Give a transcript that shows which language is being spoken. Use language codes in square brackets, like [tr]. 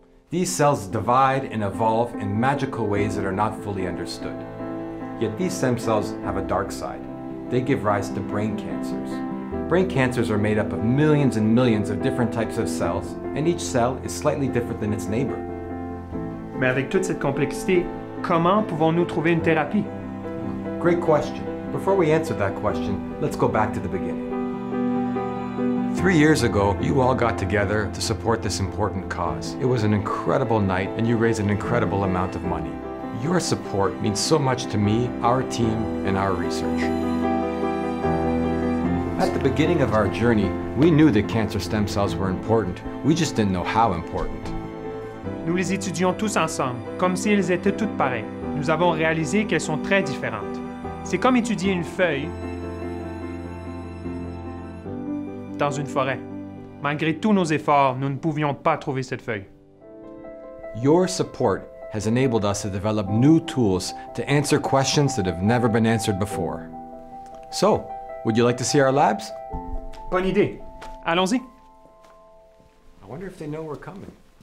[en] These cells divide and evolve in magical ways that are not fully understood. Yet these stem cells have a dark side. They give rise to brain cancers. Brain cancers are made up of millions and millions of different types of cells, and each cell is slightly different than its neighbor. [fr] Mais avec toute cette complexité, comment pouvons-nous trouver une thérapie? [en] Great question. Before we answer that question, let's go back to the beginning. 3 years ago, you all got together to support this important cause. It was an incredible night, and you raised an incredible amount of money. Your support means so much to me, our team, and our research. At the beginning of our journey, we knew that cancer stem cells were important. We just didn't know how important. [fr] Nous les étudions tous ensemble, comme si elles étaient toutes pareilles. Nous avons réalisé qu'elles sont très différentes. C'est comme étudier une feuille dans une forêt. Malgré tous nos efforts, nous ne pouvions pas trouver cette feuille. [en] Your support has enabled us to develop new tools to answer questions that have never been answered before. So, would you like to see our labs? [fr] Bonne idée. Allons-y. [en] I wonder if they know we're coming.